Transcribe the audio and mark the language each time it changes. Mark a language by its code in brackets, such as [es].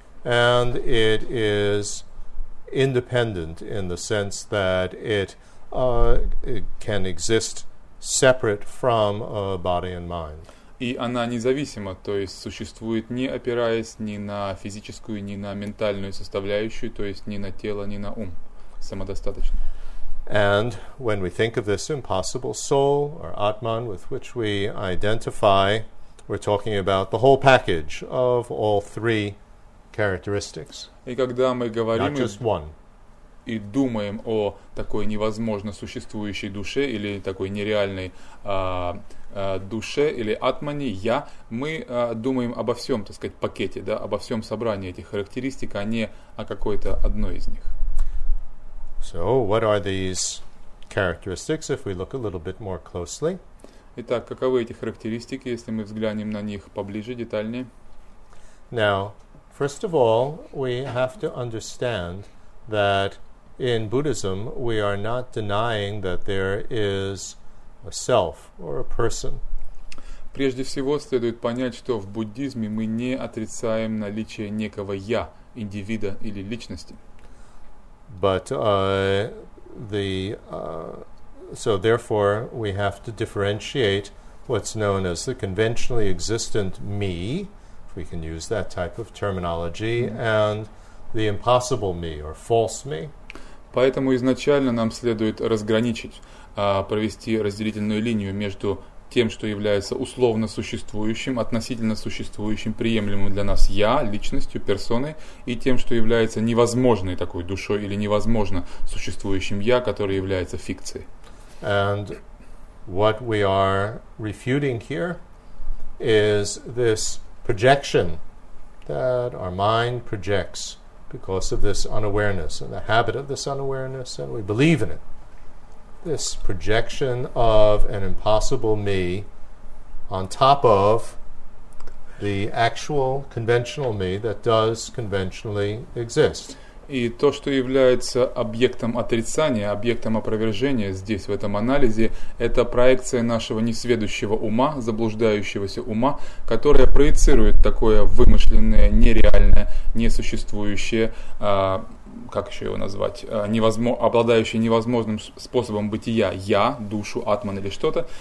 [en] And it is independent in the sense that it can exist separate from body and mind. [ru] И она независима, то есть существует не опираясь ни на физическую, ни на ментальную составляющую, то есть ни на тело, ни на ум, самодостаточно. [en] And when we think of this impossible soul or Atman with which we identify, we're talking about the whole package of all three characteristics. [ru] И когда мы говорим, [en] not just one. [ru] И думаем о такой невозможно существующей душе или такой нереальной душе или атмане, я, мы думаем обо всем, так сказать, пакете, да, обо всем собрании этих характеристик, а не о какой-то одной из них. [en] So, what are these characteristics if we look a little bit more closely? [ru] Итак, каковы эти характеристики, если мы взглянем на них поближе, детальнее? [en] Now, first of all, we have to understand that in Buddhism, we are not denying that there is a self or a person. [ru] Прежде всего, следует понять, что в буддизме мы не отрицаем наличие некого я, индивида или личности. [en] But so therefore we have to differentiate what's known as the conventionally existent me, if we can use that type of terminology, and the impossible me or false me. [ru] Поэтому изначально нам следует разграничить, провести разделительную линию между тем, что является условно существующим, относительно существующим, приемлемым для нас я, личностью, персоной, и тем, что является невозможной такой душой или невозможно существующим я, который является фикцией. [en] And what we are refuting here is this projection that our mind projects because of this unawareness and the habit of this unawareness, and we believe in it. This projection of an impossible me on top of the actual conventional me that does conventionally exist. [ru] И то, что является объектом отрицания, объектом опровержения здесь, в этом анализе, это проекция нашего несведущего ума, заблуждающегося ума, которая проецирует такое вымышленное, нереальное, несуществующее, как еще его назвать, обладающее невозможным способом бытия, я, душу, атман или что-то,